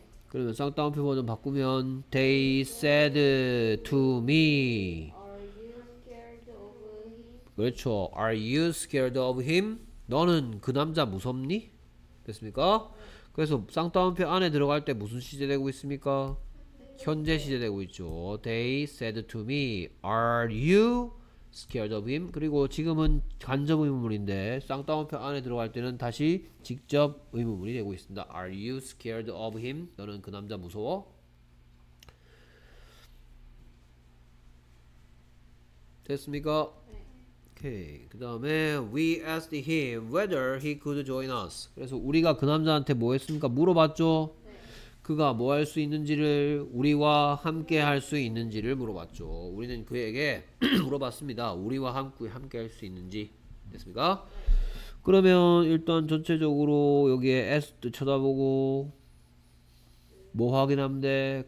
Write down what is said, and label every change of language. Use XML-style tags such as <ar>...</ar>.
<ko>그러면 쌍따옴표 버전 바꾸면</ko> <en>They said to me.</en> <ko>그렇죠.</ko> <en>Are you scared of him?</en> <ko>너는 그 남자 무섭니 됐습니까? 그래서 쌍따옴표 안에 들어갈 때 무슨 시제 되고 있습니까? 현재 시제 되고 있죠.</ko> <en>They said to me, Are you scared of him?</en> <ko>그리고 지금은 간접 의문문인데 쌍따옴표 안에 들어갈 때는 다시 직접 의문문이 되고 있습니다.</ko> <en>Are you scared of him?</en> <ko>너는 그 남자 무서워? 됐습니까? 오케이.</ko> <en>그 다음에 we asked him whether he could join us.</en> <ko>그래서 우리가 그 남자한테 뭐 했습니까? 물어봤죠. 그가 뭐할수 있는지를 우리와 함께 할수 있는지를 물어봤죠. 우리는 그에게 물어봤습니다. 우리와 함께 할수 있는지 됐습니까? 그러면 일단 전체적으로 여기에 asked 쳐다보고 뭐 확인하면 돼?</ko>